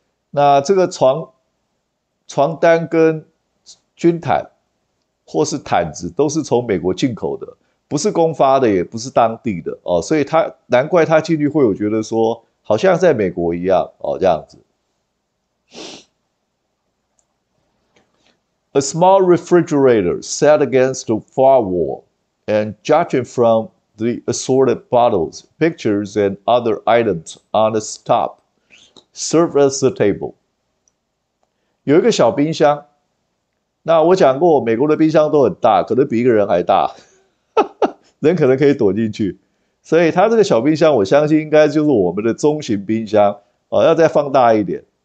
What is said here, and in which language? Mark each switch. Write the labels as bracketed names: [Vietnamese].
[Chinese] 那这个床单跟军毯或是毯子都是从美国进口的，不是公发的，也不是当地的哦，所以他难怪他进去会有觉得说好像在美国一样哦，这样子。 [English] A small refrigerator set against the far wall, and judging from the assorted bottles, pictures, and other items on the top, served as a table. [Chinese] 有一个小冰箱，那我讲过，美国的冰箱都很大，可能比一个人还大，人可能可以躲进去。所以他这个小冰箱，我相信应该就是我们的中型冰箱，要再放大一点。